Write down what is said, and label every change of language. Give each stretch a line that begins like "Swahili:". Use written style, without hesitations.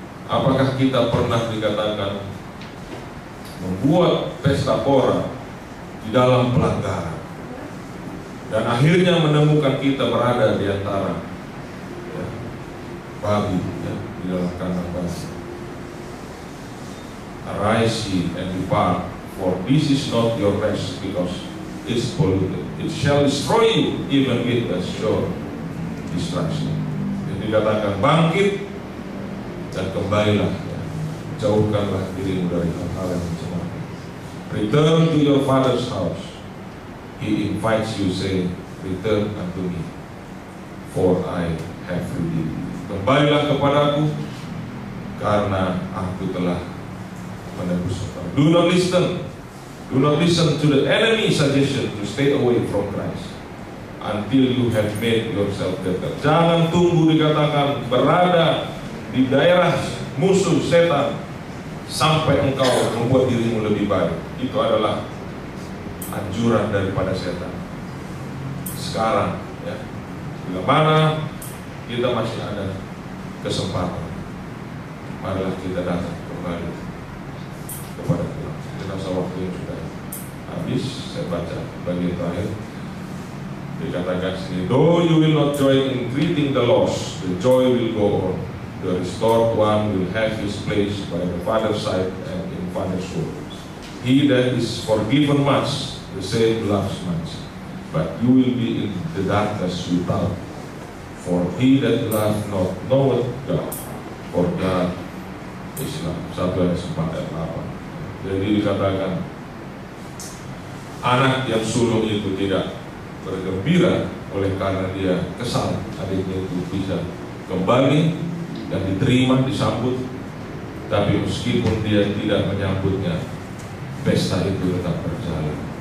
Indonesian: Apakah kita pernah dikatakan membuat pesta pora di dalam pelanggaran dan akhirnya menemukan kita berada di antara babi di dalam kandang babi?
English: Arise and depart, for this is not your rest, because it's polluted. It shall destroy you even with a sure destruction.
Indonesian: Jadi dikatakan bangkit dan kembalilah, jauhkanlah dirimu dari hal-hal yang mencemarkan.
English: Return to your father's house. He invites you, saying, return unto me, for I have redeemed you.
Indonesian: Kembalilah kepadaku, karena aku telah menebus engkau.
English: Do not listen to the enemy's suggestion to stay away from Christ until you have made yourself better.
Indonesian: Jangan tunggu dikatakan berada di daerah musuh setan sampai engkau membuat dirimu lebih baik. Itu adalah anjuran daripada setan. Sekarang, ya, bila mana kita masih ada kesempatan, marilah kita datang kembali kepada Tuhan. Kita sewaktu yang sudah habis, saya baca bagian terakhir. Dikatakan sini,
English: though you will not join in greeting the lost, the joy will go on. The restored one will have his place by the Father's side and in Father's home. He that is forgiven much, the same loves much. But you will be in the darkness without. For he that loves not knoweth God, for God is love.
Indonesian: 1 Yohanes 4:8. Jadi dikatakan, anak yang sulung itu tidak bergembira oleh karena dia kesal adiknya itu bisa kembali dan diterima, disambut. Tapi meskipun dia tidak menyambutnya, pesta itu tetap berjalan.